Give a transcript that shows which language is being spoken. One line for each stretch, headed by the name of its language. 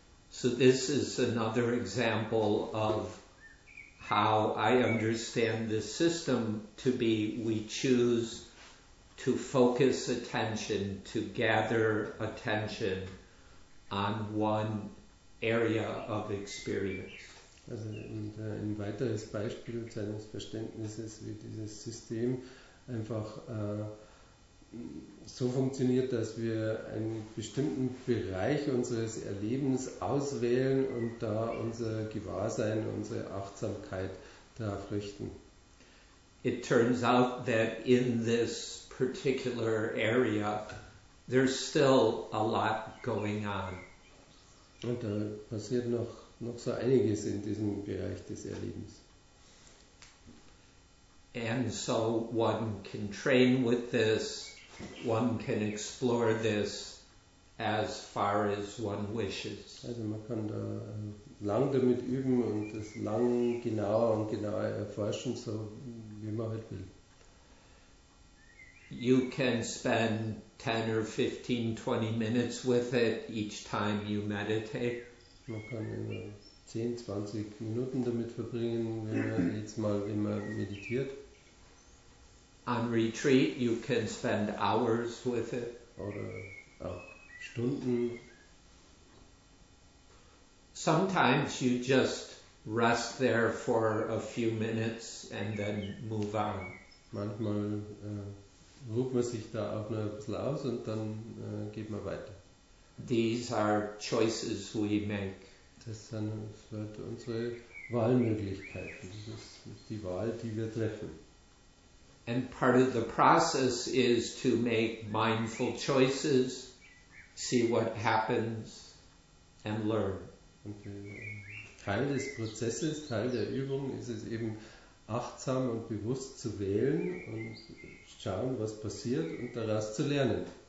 English: So this is another example of how I understand this system to be: we choose to focus attention, to gather attention on one area of experience.
German: Also ein weiteres Beispiel seines Verständnisses, wie dieses System einfach so funktioniert, dass wir einen bestimmten Bereich unseres Erlebens auswählen und da unser Gewahrsein, unsere Achtsamkeit darauf richten.
English: It turns out that in this particular area there's still a lot going on.
German: Und da passiert noch so einiges in diesem Bereich des Erlebens.
English: And so one can train with this, one can explore this as far as one wishes.
German: Also man kann da lang damit üben und das lang genauer und genauer erforschen, so wie man halt will.
English: You can spend 10 or 15, 20 minutes with it each time you meditate.
German: Man kann 10, 20 Minuten damit verbringen, wenn man jetzt mal immer meditiert.
English: On retreat you can spend hours with it.
German: Oder auch Stunden.
English: Sometimes you just rest there for a few minutes and then move on.
German: Manchmal ruht man sich da auch nur ein bisschen aus und dann geht man weiter.
English: These are choices we make.
German: Das sind halt unsere Wahlmöglichkeiten. Das ist die Wahl, die wir treffen.
English: And part of the process is to make mindful choices, see what happens, and learn.
German: Und Teil des Prozesses, Teil der Übung, ist es eben, achtsam und bewusst zu wählen und schauen, was passiert und daraus zu lernen.